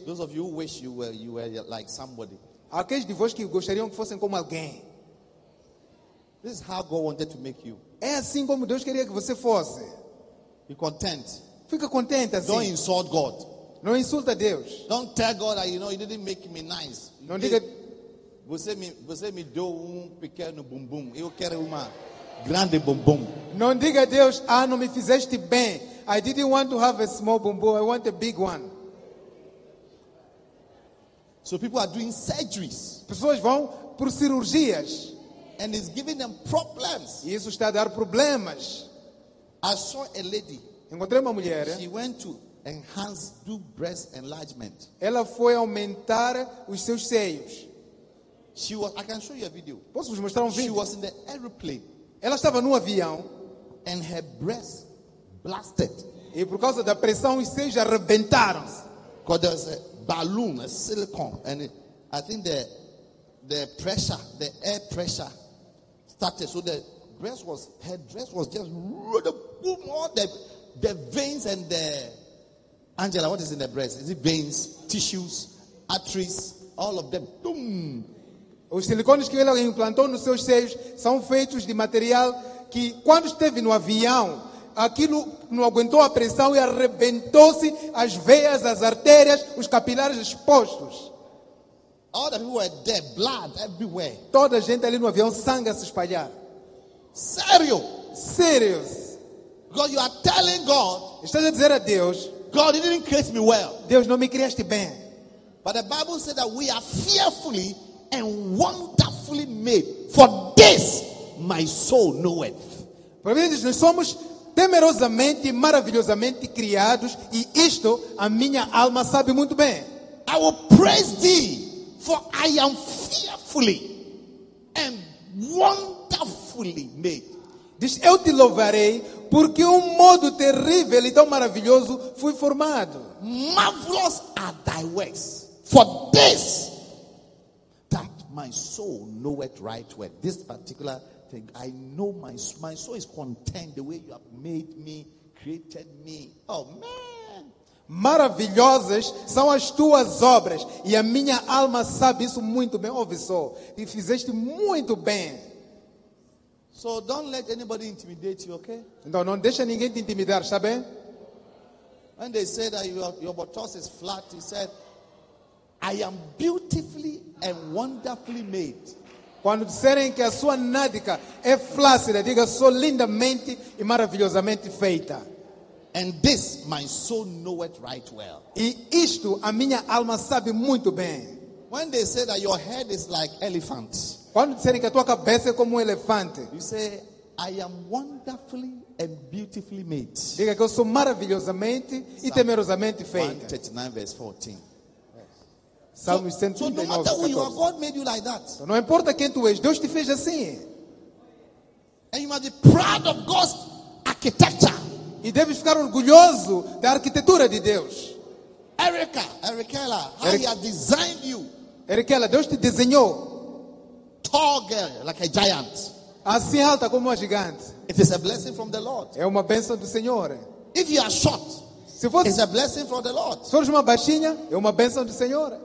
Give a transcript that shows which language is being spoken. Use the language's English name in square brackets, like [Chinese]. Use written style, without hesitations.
[English] Those of you who wish you were like somebody. [Portuguese] Aqueles de vós que gostariam que fossem como alguém. [English] This is how God wanted to make you. [Portuguese] É assim como Deus queria que você fosse. [English] Be content. [Portuguese] Fica contente assim. [English] Don't insult God. [Portuguese] Não insulta Deus. [English] Don't tell God that you didn't make me nice. [Portuguese] Não diga Você me deu pequeno bumbum. Eu quero uma grande bumbum. Não diga a Deus, não me fizeste bem. [English] I didn't want to have a small bumbum. I want a big one. So people are doing surgeries. [Portuguese] Pessoas vão por cirurgias. [English] And it's giving them problems. [Portuguese] E isso está a dar problemas. [English] I saw a lady. [Portuguese] Encontrei uma mulher. [English] She went to enhance, do breast enlargement. [Portuguese] Ela foi aumentar os seus seios. [English] She was, I can show you a video. [Portuguese] Posso vos mostrar vídeo? [English] She was in the aeroplane. [Portuguese] Ela estava no avião. [English] And her breast blasted. [Portuguese] E por causa da pressão os seios arrebentaram. [English] Because there was a balloon, a silicone, and I think the air pressure started. So the breast was, her dress was just boom, all the veins and the Angela, what is in the breast? Is it veins, tissues, arteries, all of them? Boom. [Portuguese] Os silicones que ela implantou nos seus seios são feitos de material que, quando esteve no avião, aquilo não aguentou a pressão e arrebentou-se as veias, as artérias, os capilares expostos. [English] All the people were dead, blood everywhere. [Portuguese] Toda a gente ali no avião, sangue a se espalhar. Sério? Sério. [English] God, you are telling God. [Portuguese] Estás a dizer a Deus. [English] God, you didn't create me well. [Portuguese] Deus, não me criaste bem. [English] But the Bible says that we are fearfully and wonderfully made. For this, my soul knoweth. [Portuguese] Por isso nós somos temerosamente, maravilhosamente criados, e isto a minha alma sabe muito bem. [English] I will praise thee. For I am fearfully and wonderfully made. [Portuguese] Diz, eu te louvarei porque modo terrível e tão maravilhoso fui formado. [English] Marvelous are thy works. For this, that my soul knoweth right well. This particular thing, I know my soul is content the way you have made me, created me. Oh, man. [Portuguese] Maravilhosas são as tuas obras e a minha alma sabe isso muito bem. Ouve só, e fizeste muito bem. [English] So don't let anybody intimidate you, okay? [Portuguese] Então não deixa ninguém te intimidar, está bem? [English] When they say that your buttocks is flat, he said, I am beautifully and wonderfully made. [Portuguese] Quando disserem que a sua nádega é flácida, diga, sou lindamente e maravilhosamente feita. [English] And this my soul knoweth right well. [Portuguese] E isto a minha alma sabe muito bem. [English] When they say that your head is like elephant. [Portuguese] Quando disserem que a tua cabeça é como elefante. [English] You say I am wonderfully and beautifully made. [Portuguese] Diga que eu sou maravilhosamente e temerosamente feita. [English] 139 verse 14. Yes. [Portuguese] Salmo 139. [English] So no matter who you are, God made you like that. [Portuguese] Então, não importa quem tu és, Deus te fez assim. [English] And you must be proud of God's architecture. [Portuguese] E deve ficar orgulhoso da arquitetura de Deus. [English] Erika, how he has designed you. [Portuguese] Erika, Deus te desenhou. [English] Tall girl, like a giant. [Portuguese] Assim alta como uma gigante. [English] It is a blessing from the Lord. [Portuguese] É uma bênção do Senhor. [English] If you are short, [Portuguese] se fosse, [English] it's a blessing from the Lord. [Portuguese] Se fores uma baixinha, é uma bênção do Senhor.